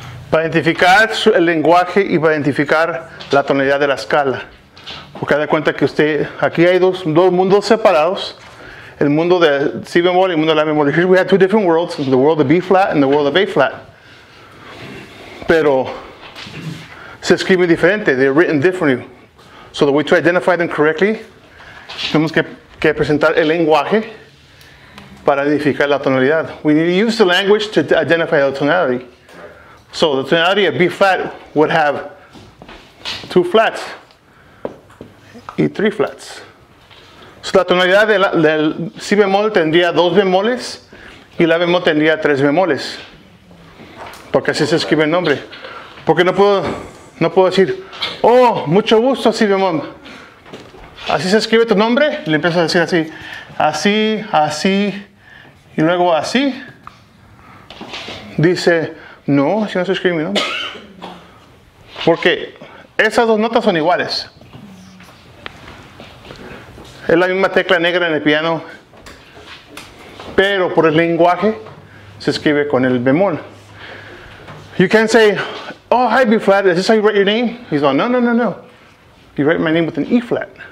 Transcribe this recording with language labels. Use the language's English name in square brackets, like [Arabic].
[Spanish] Para identificar el lenguaje y para identificar la tonalidad de la escala. Porque da cuenta que usted, aquí hay dos mundos separados. El mundo de si bemol y el mundo de la bemol. [English] Here we have two different worlds, the world of B flat and the world of A flat. [Spanish] Pero se escribe diferente, [English] they're written differently. So the way to identify them correctly, [Spanish] tenemos que presentar el lenguaje para identificar la tonalidad. [English] We need to use the language to identify the tonality. So the tonality of B flat would have two flats y three flats. [Spanish] So la tonalidad del si bemol tendría dos bemoles y la bemol tendría tres bemoles. Porque así se escribe el nombre. Porque no puedo decir, oh, mucho gusto, si bemol. Así se escribe tu nombre, y le empiezo a decir así, así, así, y luego así. Dice, no, así no se escribe mi nombre. Porque esas dos notas son iguales. Es la misma tecla negra en el piano, pero por el lenguaje se escribe con el bemol. [English] You can say, oh, hi, B flat, is this how you write your name? He's like, no, no, no, no. You write my name with an E flat.